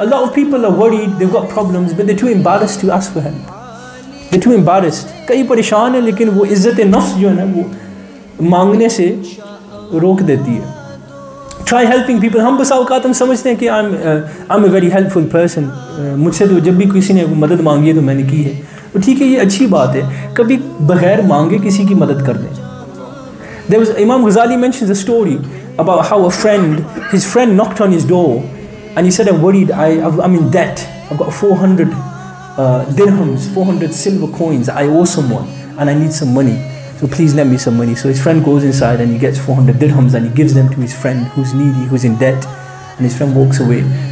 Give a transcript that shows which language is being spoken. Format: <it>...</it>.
<en>A lot of people are worried, they've got problems, but they're too embarrassed to ask for help. They're too embarrassed.</en> <ur>کہیں پریشان ہے، لیکن وہ عزتِ نفس جو ہے، وہ مانگنے سے روک دیتی ہے۔</ur> <en>Try helping people.</en> <ur>ہم بس اوقات ہم سمجھتے ہیں کہ</ur> <en>I'm a very helpful person.</en> <ur>مجھ سے تو جب بھی کسی نے مدد مانگی ہے، تو میں نے کی ہے۔</ur> <en>But</en> <ur>ٹھیک ہے، یہ اچھی بات ہے۔ کبھی بغیر مانگے کسی کی مدد کر دیں۔</ur> <en>There was Imam Ghazali mentions a story about how his friend knocked on his door. And he said, I'm worried, I'm in debt. I've got 400 dirhams, 400 silver coins. I owe someone and I need some money. So please lend me some money. So his friend goes inside and he gets 400 dirhams and he gives them to his friend who's needy, who's in debt. And his friend walks away.</en>